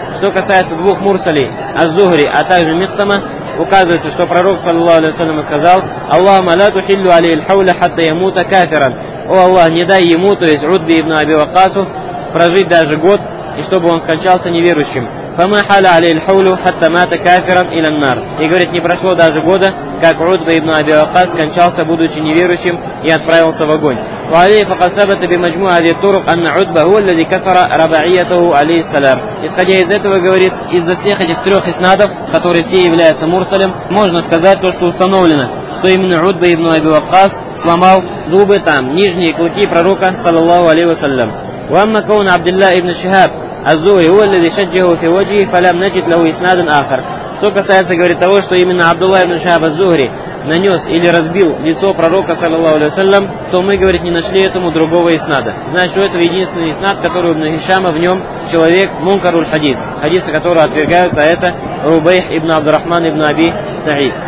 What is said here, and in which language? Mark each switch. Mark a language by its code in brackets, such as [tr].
[ru] Что касается двух мурсалей, аз-Зухри, а также Миксама, указывается, что пророк, саллаллаху алейхи ва саллям, сказал: [ar] «Аллахумма ла тухиллю алейхи аль-хауля хатта ямута кафиран». [ru] О Аллах, не дай ему, то есть Утбе ибн Аби Ваккасу, прожить даже год, и чтобы он скончался неверующим. [ar] «Фама халя алейхи хатта мата кафиран иляннар». [ru] И говорит, не прошло даже года, как Утбе ибн Аби Ваккас скончался, будучи неверующим, и отправился в огонь. [ar] وعليه فقد ثبت بمجموع هذه الطرق أن عتبة هو الذي كسر رباعيته عليه السلام. [ru] Исходя из этого, говорит, из-за всех этих трех иснадов, которые все являются мурсалем, можно сказать то, что установлено, что именно Утба ибн Аби Ваккас сломал зубы там, нижние клыки пророка саллаллаху алейхи ва саллям. [ar] وأما كون عبد الله ابن شهاب الزهري هو الذي شجه في وجهه فلم نجد له إسناد آخر. [ru] Что касается, говорит, того, что именно Абдулла ибн Шахаб аз-Зухри нанес или разбил лицо пророка, саллаллаху алейхи ва саллям, то мы, говорит, не нашли этому другого иснада. Значит, у этого единственный иснад, который у ибн Хишама, в нем человек мункаруль хадис. Хадисы, которые отвергаются, это Рубейх ибн Абдурахман ибн Аби Саид.